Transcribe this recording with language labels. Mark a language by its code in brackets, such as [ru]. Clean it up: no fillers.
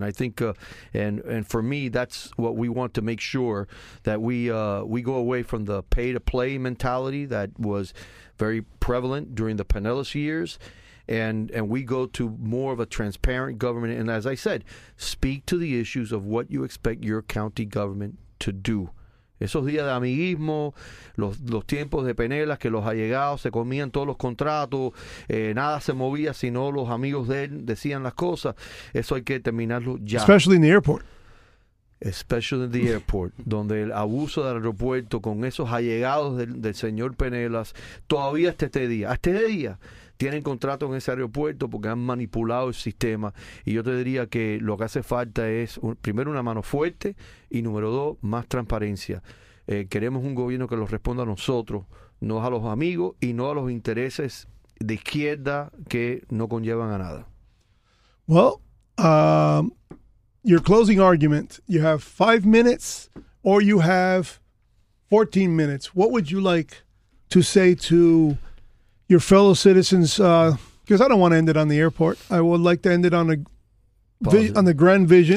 [en] And I think, and for me, that's what we want to make sure, that we go away from the pay-to-play mentality that was very prevalent during the Pinellas years, and we go to more of a transparent government. And as I said, speak to the issues of what you expect your county government to do. [es] Esos días de amiguismo, los tiempos de Penelas, que los allegados se comían todos los contratos, nada se movía si no los amigos de él decían las cosas. Eso hay que terminarlo ya. [en] Especially in the airport. Especially in the airport, [es] donde el abuso del aeropuerto con esos allegados del señor Penelas, todavía hasta este día, tienen contrato en ese aeropuerto porque han manipulado el sistema. Y yo te diría que lo que hace falta es, primero, una mano fuerte, y número dos, más transparencia. Queremos un gobierno que los responda a nosotros, no a los amigos y no a los intereses de izquierda que no conllevan a nada. [en] Well, your closing argument, you have 5 minutes or you have 14 minutes. What would you like to say to your fellow citizens, because I don't want to end it on the airport. I would like to end it on the grand vision.